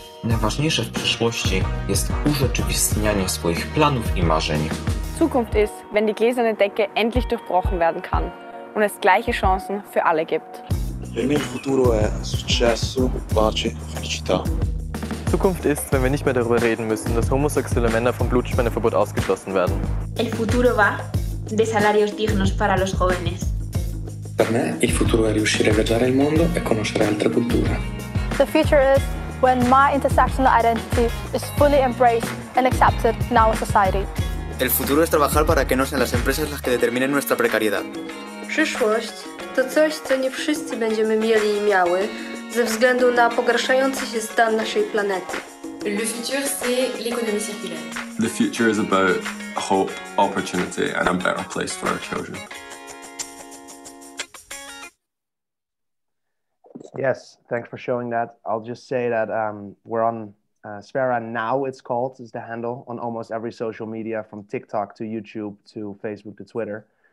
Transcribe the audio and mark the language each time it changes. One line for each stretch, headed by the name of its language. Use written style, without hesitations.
Polish: Najważniejsze w przyszłości jest urzeczywistnianie swoich planów i marzeń.
German: Zukunft ist, wenn die gläserne Decke endlich durchbrochen werden kann und es gleiche Chancen für alle gibt.
Italian: Per me il futuro è successo, pace, felicità.
German: Zukunft ist, wenn wir nicht mehr darüber reden müssen, dass homosexuelle Männer vom Blutspendeverbot ausgeschlossen werden.
Spanish: El futuro va de salarios dignos para los jóvenes.
Italian: Per me il futuro è riuscire a viaggiare il mondo e conoscere altre culture.
English: The future is when my intersectional identity is fully embraced and accepted in our society.
Spanish: El futuro es trabajar para que no sean las empresas las que determinen nuestra precariedad.
Polish: Przyszłość to coś, co nie wszyscy będziemy mieli i miały ze względu na pogarszający się stan naszej planety.
French: Le futur, c'est l'économie circulaire.
English: The future is about hope, opportunity and a better place for our children. Yes, thanks for showing that. I'll just say that we're on Sphera Now, it's called, is the handle on almost every social media, from TikTok to YouTube to Facebook to Twitter.